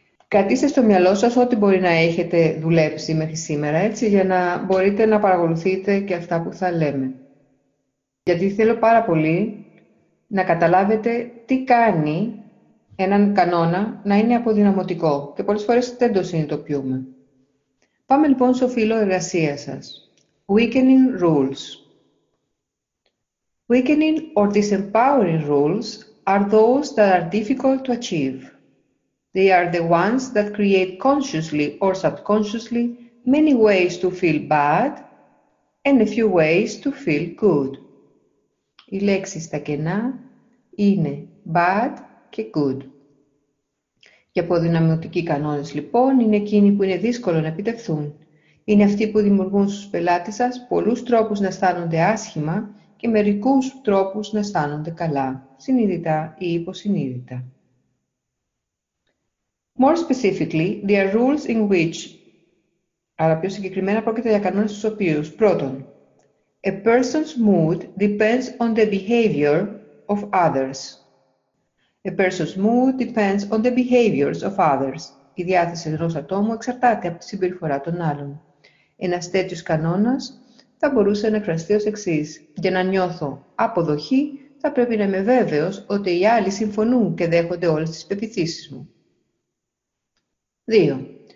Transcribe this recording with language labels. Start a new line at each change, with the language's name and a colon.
Greek: Κρατήστε στο μυαλό σας ό,τι μπορεί να έχετε δουλέψει μέχρι σήμερα, έτσι, για να μπορείτε να παρακολουθείτε και αυτά που θα λέμε. Γιατί θέλω πάρα πολύ να καταλάβετε τι κάνει έναν κανόνα να είναι αποδυναμωτικό και πολλές φορές δεν το συνειδητοποιούμε. Πάμε λοιπόν στο φύλλο εργασίας σας.
English: Weakening rules. Weakening or disempowering rules are those that are difficult to achieve. They are the ones that create consciously or subconsciously many ways to feel bad and a few ways to feel good.
Greek: Οι λέξεις στα κενά είναι bad και good. Οι αποδυναμωτικοί κανόνες, λοιπόν, είναι εκείνοι που είναι δύσκολο να επιτευχθούν. Είναι αυτοί που δημιουργούν στους πελάτες σας πολλούς τρόπους να αισθάνονται άσχημα και μερικούς τρόπους να αισθάνονται καλά, συνειδητά ή υποσυνείδητα.
English: More specifically, there are rules in which,
Greek: αλλά πιο συγκεκριμένα πρόκειται για κανόνες στους οποίους, πρώτον,
English: a person's mood depends on the behavior of others. A person's mood depends on the behaviors of others.
Greek: Η διάθεση ενός ατόμου εξαρτάται από τη συμπεριφορά των άλλων. Ένας τέτοιος κανόνας θα μπορούσε να εκφραστεί ως εξής. Για να νιώθω αποδοχή, θα πρέπει να είμαι βέβαιος ότι οι άλλοι συμφωνούν και δέχονται όλες τις πεποιθήσεις μου. 2.